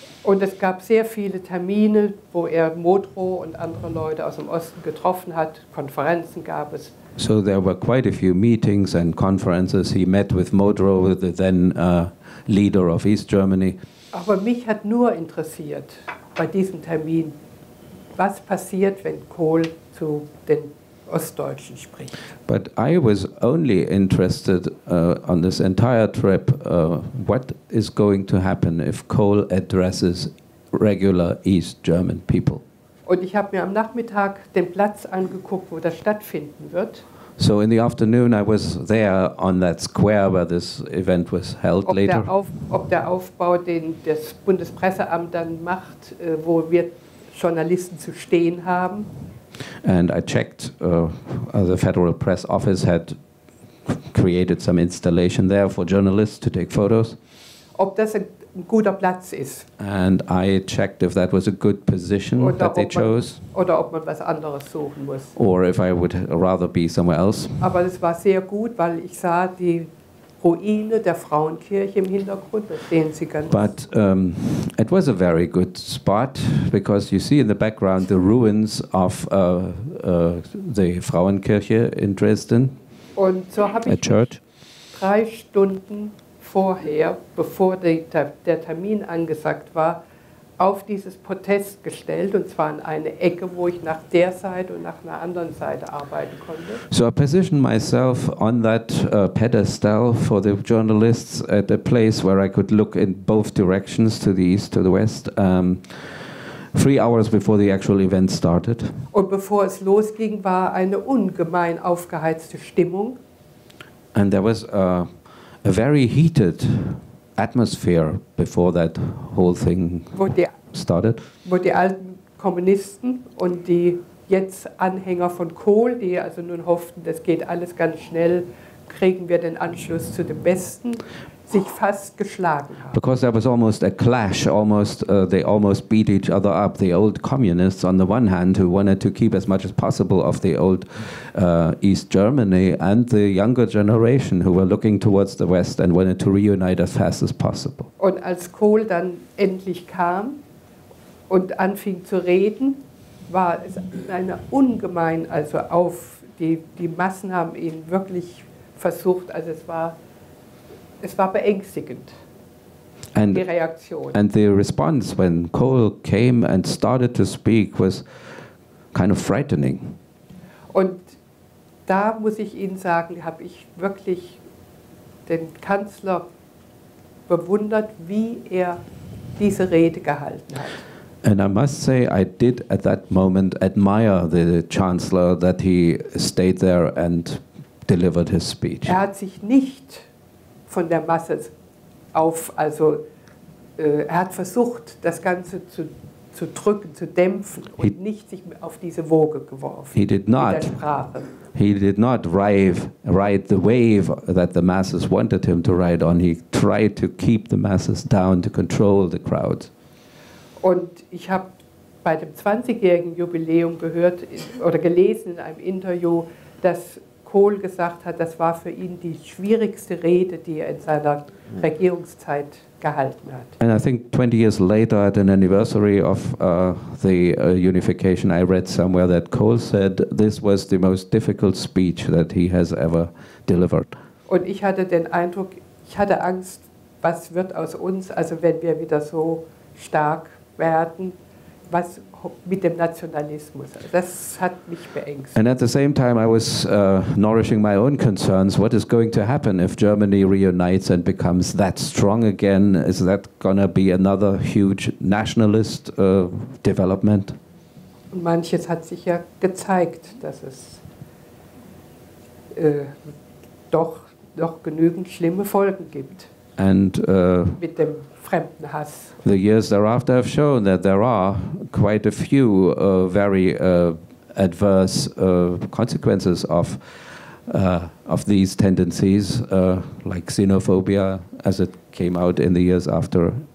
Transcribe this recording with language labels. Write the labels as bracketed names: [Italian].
[German] Und es gab sehr viele Termine, wo er Modrow und andere Leute aus dem Osten getroffen hat. Konferenzen gab es. [English] So there were quite a few meetings and conferences. He met with Modrow, the then leader of East Germany. [German] Aber mich hat nur interessiert bei diesem Termin, was passiert, wenn Kohl zu den Ostdeutschen spricht. [English] But I was only interested on this entire trip, what is going to happen if Kohl addresses regular East German people. [German] Und ich habe mir am Nachmittag den Platz angeguckt, wo das stattfinden wird. [English] So in the afternoon I was there on that square where this event was held [German] ob [English] later. [German] Ob der Aufbau, den das Bundespresseamt dann macht, wo wir Journalisten zu stehen haben. [English] And I checked, the Federal Press Office had created some installation there for journalists to take photos. [German] Ob das ein guter Platz ist. [English] And I checked if that was a good position [German] oder [English] that they chose. [German] Oder ob man was anderes suchen muss. [English] Or if I would rather be somewhere else. [German] Aber es war sehr gut, weil ich sah die Ruine der Frauenkirche im Hintergrund, sehen Sie ganz. [English] But it was a very good spot because you see in the background the ruins of the Frauenkirche in Dresden. [German] Und so habe ich mich 3 Stunden vorher, bevor der Termin angesagt war, auf dieses Podest gestellt, und zwar in eine Ecke, wo ich nach der Seite und nach einer anderen Seite arbeiten konnte. [English] So I positioned myself on that pedestal for the journalists at a place where I could look in both directions, to the east, to the west, 3 hours before the actual event started. [German] Und bevor es losging, war eine ungemein aufgeheizte Stimmung. [English] And there was a very heated atmosphere before that whole thing started. [German] Wo die alten Kommunisten und die jetzt Anhänger von Kohl, die also nun hofften, das geht alles ganz schnell, kriegen wir den Anschluss zu dem Besten, sich fast geschlagen haben. [English] Because there was almost a clash, they almost beat each other up. The old communists on the one hand, who wanted to keep as much as possible of the old East Germany, and the younger generation, who were looking towards the West and wanted to reunite as fast as possible. [German] Und als Kohl dann endlich kam und anfing zu reden, war es eine ungemein, also auf, die Massen haben ihn wirklich versucht, also es war beängstigend, [English] and [German] die Reaktion. [English] And the response when Kohl came and started to speak was kind of frightening. [German] Und da muss ich Ihnen sagen, habe ich wirklich den Kanzler bewundert, wie er diese Rede gehalten hat. [English] And I must say, I did at that moment admire the Chancellor that he stayed there and delivered his speech. [German] Er hat sich nicht von der Masse auf, also er hat versucht, das Ganze zu drücken, zu dämpfen und nicht sich auf diese Woge geworfen. [English] He did not. He did not ride the wave that the masses wanted him to ride on. He tried to keep the masses down, to control the crowds. [German] Und ich habe bei dem 20-jährigen Jubiläum gehört oder gelesen in einem Interview, dass Kohl gesagt hat, das war für ihn die schwierigste Rede, die er in seiner Regierungszeit gehalten hat. [English] And I think 20 years later at an anniversary of the unification, I read somewhere that Kohl said this was the most difficult speech that he has ever delivered. [German] Und ich hatte den Eindruck, ich hatte Angst, was wird aus uns, also wenn wir wieder so stark werden, was mit dem Nationalismus. Das hat mich beängstigt. [English] And at the same time I was nourishing my own concerns. What is going to happen if Germany reunites and becomes that strong again? Is that gonna be another huge nationalist development? [German] Und manches hat sich ja gezeigt, dass es doch genügend schlimme Folgen gibt. [English] And [German] mit dem Fremdenhass. [English] The years thereafter have shown that there are quite a few very adverse consequences of these tendencies, like xenophobia, as it came out in the years after.